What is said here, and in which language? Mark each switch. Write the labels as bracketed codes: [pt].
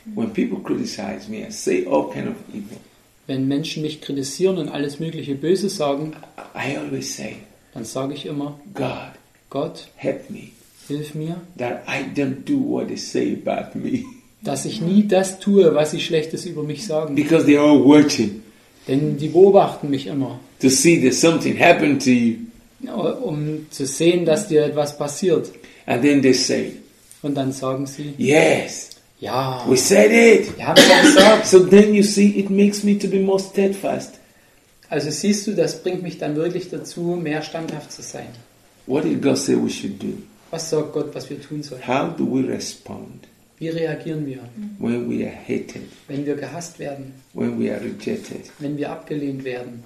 [en] When people criticize me and say all kind of evil, [de] wenn Menschen mich kritisieren und alles mögliche Böse sagen, [en] I always say, [de] dann sage ich immer, [en] God, [de] Gott, [en] help me, [de] hilf mir, [en] that I don't do what they say about me. [de] Dass ich nie das tue, was sie Schlechtes über mich sagen. [en] Because they are watching. [de] Denn die beobachten mich immer. [en] To see that something happened to you. [de] Um zu sehen, dass dir etwas passiert. [en] And then they say. [de] Und dann sagen sie. [en] Yes. [de] Ja. [en] We said it. [de] Wir haben es gesagt. [en] So then you see, it makes me to be more steadfast. [de] Also siehst du, das bringt mich dann wirklich dazu, mehr standhaft zu sein. [en] What did God say we should do? [de] Was sagt Gott, was wir tun sollen? [en] How do we respond? [de] Wie reagieren wir? [en] When we are hated, [de] wenn wir gehasst werden. [en] When we are rejected, [de] wenn wir abgelehnt werden.